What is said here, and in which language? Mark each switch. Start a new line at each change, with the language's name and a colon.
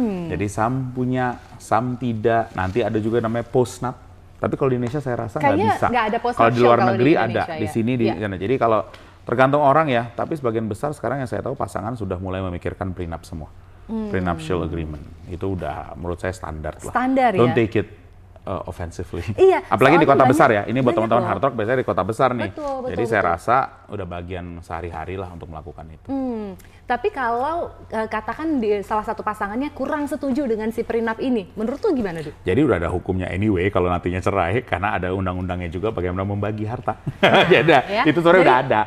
Indonesian: Jadi some punya, some tidak. Nanti ada juga namanya postnup. Tapi kalau di Indonesia saya rasa nggak bisa. Nggak ada post kalau di luar negeri di ada, ya? Di sini di sana. Ya. Jadi kalau tergantung orang ya, tapi sebagian besar sekarang yang saya tahu pasangan sudah mulai memikirkan prenup semua. Hmm. Prenuptial agreement. Itu udah menurut saya standar lah. Standar.
English: Don't take it offensively.
Indonesian: Iya. Apalagi di kota besar ya. Ini buat teman-teman hard rock biasanya di kota besar nih. Betul, betul. Jadi betul. Saya rasa udah bagian sehari-hari lah untuk melakukan itu. Hmm. Tapi kalau katakan di salah satu pasangannya kurang setuju dengan si prenup ini, menurut tuh gimana, Du? Jadi udah ada hukumnya anyway kalau nantinya cerai karena ada undang-undangnya juga bagaimana membagi harta. Jadi ya? Itu sebenarnya udah ada.